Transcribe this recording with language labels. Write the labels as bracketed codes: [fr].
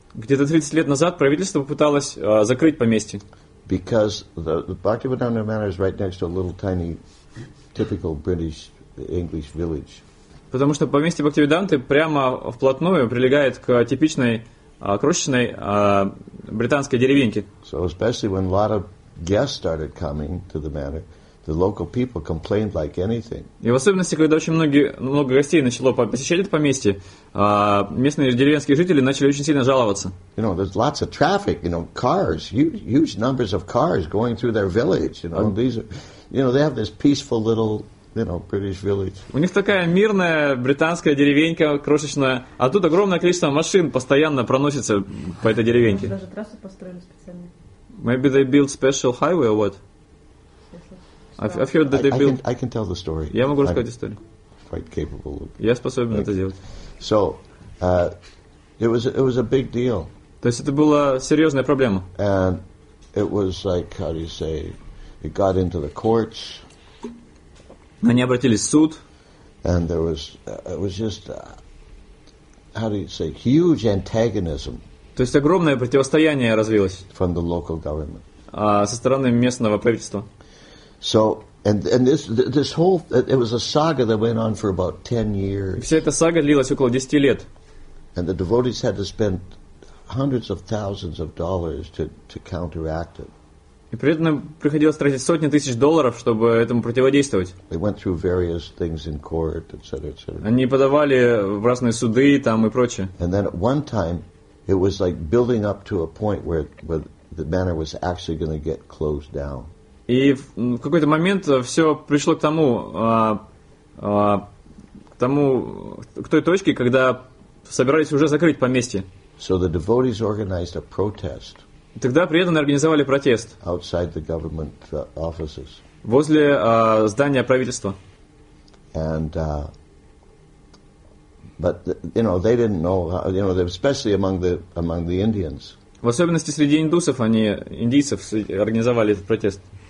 [ru] Где-то 30 лет назад правительство попыталось закрыть поместье. [en] Because the Bhaktivedanta Manor is right next to a little tiny, typical British English village. [ru] Потому что поместье Бхактивиданты прямо вплотную прилегает к типичной крошечной британской деревеньке. [en] So especially when a lot of guests started coming to the manor, the local people complained like anything. [ru] И в особенности, когда очень много гостей начало посещать это поместье, местные деревенские жители начали очень сильно жаловаться. [en] You know, there's lots of traffic, you know, cars, huge numbers of cars going through their village, you know. These are, you know, they have this peaceful little, you know, British village. [ru] У них такая мирная британская деревенька крошечная, а тут огромное количество машин постоянно проносится по этой деревеньке. Даже трассу построили специально. [en] Maybe they built special highway or what? I've heard that they built. I can tell the story. [ru] Я могу рассказать историю. [en] Quite capable. [ru] Я способен это сделать. [en] So, it was a big deal. [ru] То есть это была серьезная проблема. [en] And it was like, how do you say, it got into the courts. [ru] Они обратились в суд. [en] And there was, it was just, how do you say, huge antagonism. [ru] То есть огромное противостояние развилось. [en] From the local government. [ru] Со стороны местного правительства. [en] So and this whole, it was a saga that went on for about 10 years. [ru] Вся эта сага длилась около 10 лет. [en] And the devotees had to spend hundreds of thousands of dollars to counteract it. [ru] И преданным приходилось тратить сотни тысяч долларов, чтобы этому противодействовать. [en] They went through various things in court, etc., etc. [ru] Они подавали в разные суды там и прочее. [en] And then at one time, it was like building up to a point where the manor was actually going to get closed down. [ru] И в какой-то момент все пришло к тому, к той точке, когда собирались уже закрыть поместье. [en] So the devotees organized a protest. [ru] Тогда преданные организовали протест. [en] Outside the government offices. [ru] Возле здания правительства. [en] And but you know they didn't know, you know, especially among the Indians. [ru] В особенности среди индусов, они индийцев организовали этот протест.